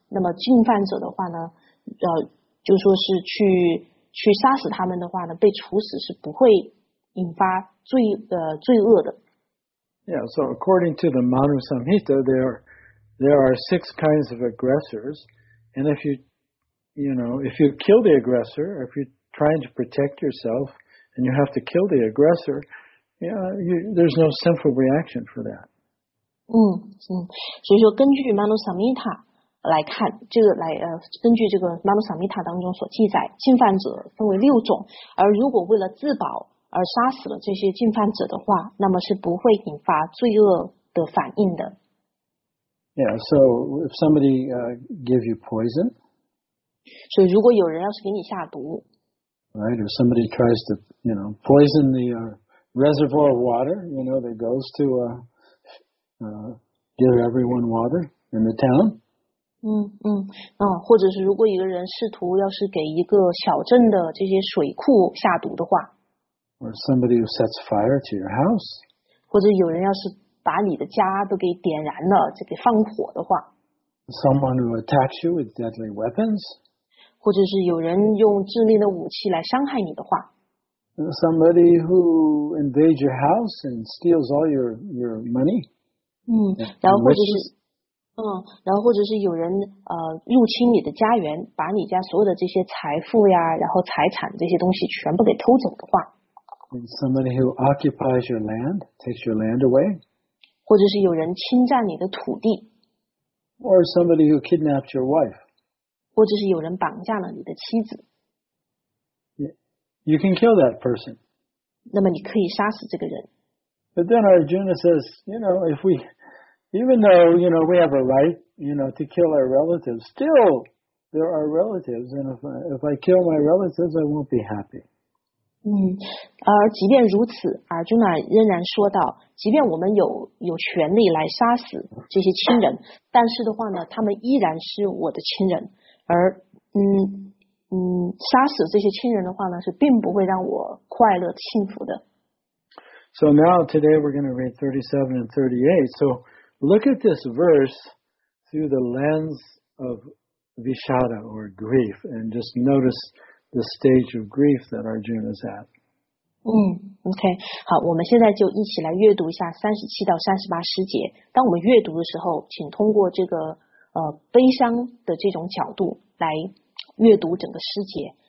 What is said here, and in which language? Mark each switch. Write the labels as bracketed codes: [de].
[zh] 那么进犯者的话呢，就说是去杀死他们的话呢，被处死是不会引发罪恶的。 [en] Yeah, so according to the Manu Samhita, there are six kinds of aggressors, and if you kill the aggressor, if you're trying to protect yourself and you have to kill the aggressor, there's no sinful reaction for that. [zh] 所以说根据 Manu Samhita 来看，这个根据这个 Manu Samhita 当中所记载，进犯者分为六种，而如果为了自保而杀死了这些进犯者的话，那么是不会引发罪恶的反应的。 [en] Yeah, so if somebody give you poison, [zh] 所以如果有人要是给你下毒， [en] right, or somebody tries to, you know, poison the reservoir of water, you know, that goes to give everyone water in the town. [zh] 或者是如果一个人试图要是给一个小镇的这些水库下毒的话， [en] or somebody who sets fire to your house. [zh] 或者有人要是把你的家都给点燃了，就给放火的话， [en] someone who attacks you with deadly weapons. [zh] 或者是有人用致命的武器来伤害你的话。 [en] Somebody who invades your house and steals all your money. [zh] 然后或者是有人入侵你的家园，把你家所有的这些财富呀，然后财产这些东西全部给偷走的话。 [en] And somebody who occupies your land, takes your land away. [zh] 或者是有人侵占你的土地。 [en] Or somebody who kidnaps your wife. [zh] 或者是有人绑架了你的妻子。 [en] You can kill that person. [zh] 那么你可以杀死这个人。 [en] But then Arjuna says, you know, if we, even though, you know, we have a right, you know, to kill our relatives, still there are relatives, and if I kill my relatives, I won't be happy. [zh] 而即便如此， Arjuna 仍然说到，即便我们有权利来杀死这些亲人，但是的话呢，他们依然是我的亲人，而杀死这些亲人的话呢，是并不会让我快乐幸福的。 [en] So now today we're going to read 37 and 38. So look at this verse through the lens of vishada or grief, and just notice the stage of grief that Arjuna is at. Okay. [zh] 好，我们现在就一起来阅读一下37到38诗节。当我们阅读的时候，请通过这个悲伤的这种角度来阅读整个诗节。